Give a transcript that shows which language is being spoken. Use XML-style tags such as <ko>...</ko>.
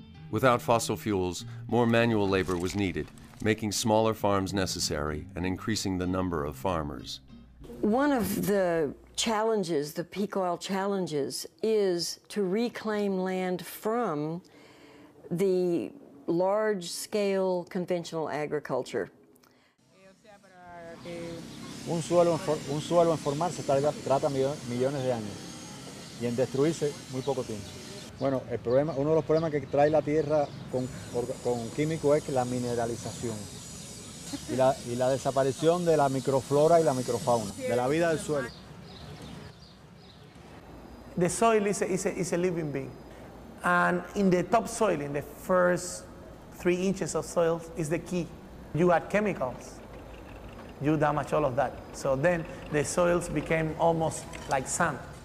<en>Without fossil fuels, more manual labor was needed, making smaller farms necessary and increasing the number of farmers. One of the challenges, the peak oil challenges, is to reclaim land from the large-scale conventional agriculture.</en> <es>Un suelo en formarse trata millones de años y en destruirse muy poco tiempo. Bueno, el problema, uno de los problemas que trae la tierra con químico es que la mineralización y la desaparición de la microflora y la microfauna, de la vida del suelo.</es> <en>The soil is a living being. And in the top soil, in the first 3 inches of soil, is the key. You add chemicals. You damage all of that. So then the soils became almost like sand.</en>